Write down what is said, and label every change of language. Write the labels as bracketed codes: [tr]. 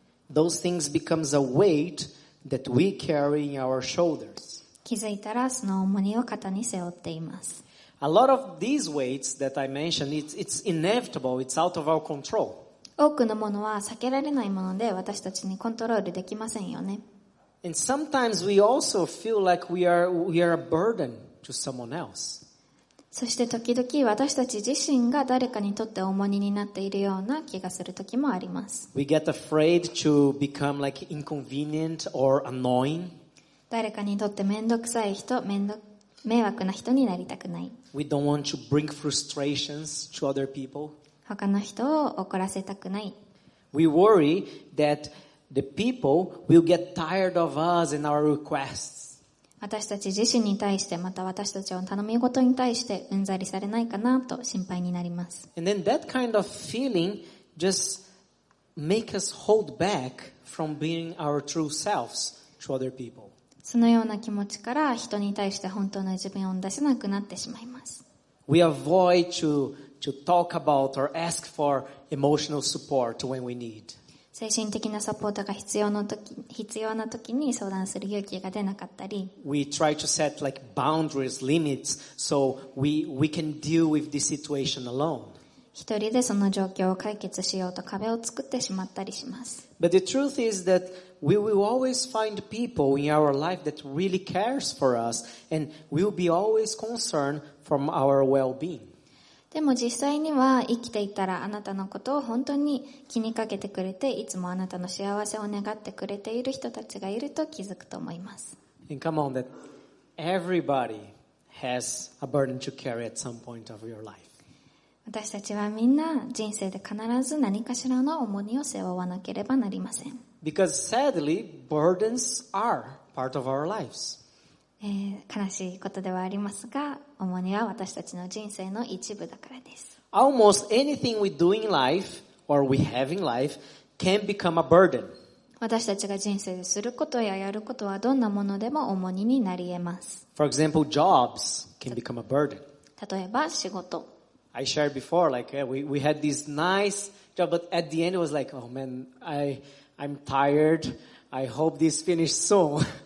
[en] Those things become a weight that we carry in our shoulders. [ja] 気づいたらその重荷を肩に背負っています。 [en] A lot of these weights that I mentioned, it's inevitable, it's out of our control. [ja] 多くのものは避けられないもので私たちにコントロールできませんよね。 [en] And sometimes we also feel like we are a burden to someone else. [ja] そして時々私たち自身が誰かにとって重荷になっているような気がする時もあります。 [en] We get afraid to become like inconvenient or annoying. [ja] 誰かにとって面倒くさい人、迷惑な人になりたくない。 [en] We don't want to bring frustrations to other people. [ja] 他の人を怒らせたくない。 [en] We worry that the people will get tired of us and our requests. [ja] 私たち自身に対して、また私たちの頼み事に対して、うんざりされないかなと心配になります。 [en] And then that kind of feeling just makes us hold back from being our true selves to other people. [ja] そのような気持ちから人に対して本当の自分を出せなくなってしまいます。 [en] We avoid to talk about or ask for emotional support when we need. [ja] 精神的なサポートが必要な時に相談する勇気が出なかったり。 [en] We try to set like boundaries, limits, so we can deal with this situation alone. [ja] 一人でその状況を解決しようと壁を作ってしまったりします。 [en] But the truth is that we will always find people in our life that really cares for us and we'll be always concerned from our well-being. [ja] でも実際には生きていたらあなたのことを本当に気にかけてくれて、いつもあなたの幸せを願ってくれている人たちがいると気づくと思います。 [en] And come on, that everybody has a burden to carry at some point of your life. [ja] 私たちはみんな人生で必ず何かしらの重荷を背負わなければなりません。 [en] Because sadly, burdens are part of our lives. [ja] 悲しいことではありますが、重荷は私たちの人生の一部だからです。 [en] Almost anything we do in life or we have in life can become a burden. [ja] 私たちが人生ですることややることはどんなものでも重荷になり得ます。 [en] For example, jobs can become a burden. [ja] 例えば仕事。 [en] I shared before, like we had this nice job, but at the end it was like, oh man, I'm tired. I hope this finishes soon.